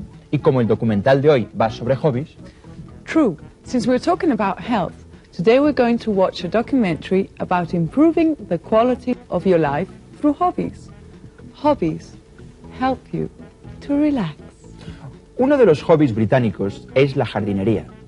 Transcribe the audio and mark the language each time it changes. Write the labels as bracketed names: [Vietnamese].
[Spanish] Y como el documental de hoy va sobre hobbies... [English] True. Since we're talking about health, today we're going to watch a documentary about improving the quality of your life through hobbies. Hobbies help you to relax. [Spanish] Uno de los hobbies británicos es la jardinería.